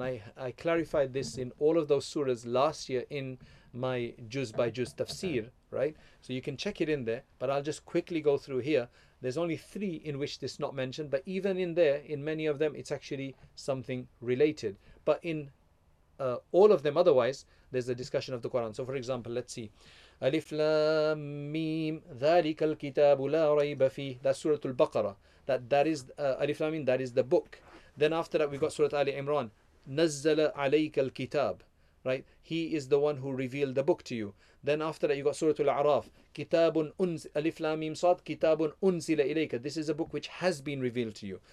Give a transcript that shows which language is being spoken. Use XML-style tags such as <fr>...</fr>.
<en>And I clarified this in all of those surahs last year in my juz by juz tafsir, right? So you can check it in there, but I'll just quickly go through here. There's only three in which this is not mentioned, but even in there, in many of them, it's actually something related. But in all of them otherwise, there's a discussion of the Quran. So for example, let's see.</en> <ar>Alif Lam Mim, ذلك الكتاب لا ريب فيه.</ar> <en>That's Surah Al-Baqarah. Alif Lam Mim, that is the book. Then after that, we've got Surah Ali Imran.</en> <ar>نزل عليك الكتاب.</ar> <en>Right? He is the one who revealed the book to you. Then after that, you've got Surah Al-A'raf.</en> <ar>Alif Lam Mim Sad, كِتَابٌ أُنزِلَ إِلَيْكَ.</ar> <en>This is a book which has been revealed to you.</en>